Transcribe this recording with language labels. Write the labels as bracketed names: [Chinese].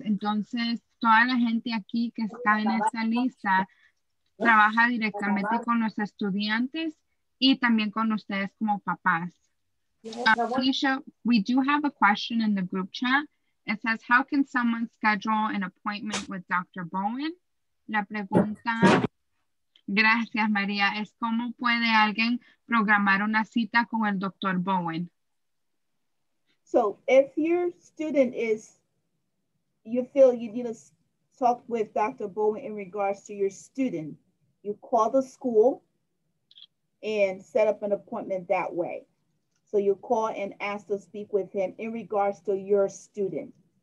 [Spanish] Entonces, toda la gente aquí que está en esa lista trabaja directamente con los estudiantes y también con ustedes como papás. [English] Alicia, we do have a question in the group chat. It says, how can someone schedule an appointment with Dr. [Spanish] Bowen? La pregunta... Gracias, María. Es cómo puede alguien programar una cita con el Dr. Bowen. [English] So if your student is, you feel you need to talk with Dr. Bowen in regards to your student, you call the school and set up an appointment that way. So you call and ask to speak with him in regards to your student.